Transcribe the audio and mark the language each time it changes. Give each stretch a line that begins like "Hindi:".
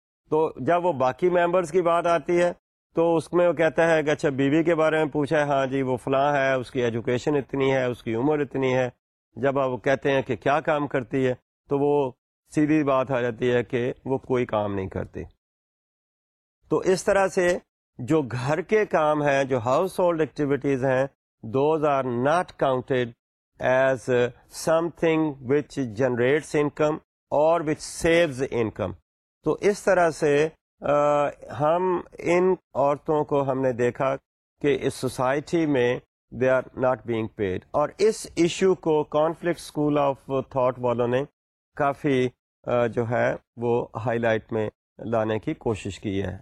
Urdu: تو جب وہ باقی ممبرز کی بات آتی ہے تو اس میں وہ کہتا ہے کہ اچھا بیوی کے بارے میں پوچھا ہے, ہاں جی وہ فلاں ہے, اس کی ایجوکیشن اتنی ہے, اس کی عمر اتنی ہے. جب آپ کہتے ہیں کہ کیا کام کرتی ہے تو وہ سیدھی بات آ جاتی ہے کہ وہ کوئی کام نہیں کرتی. تو اس طرح سے جو گھر کے کام ہیں, جو ہاؤس ہولڈ ایکٹیویٹیز ہیں,
English: Those are not counted as something which generates income or which saves income.
Urdu: تو اس طرح سے ہم ان عورتوں کو ہم نے دیکھا کہ اس سوسائٹی میں
English: they are not being paid,
Urdu: اور اس ایشو کو کانفلکٹ اسکول آف تھاٹ والوں نے کافی جو ہے وہ ہائی لائٹ میں لانے کی کوشش کی ہے.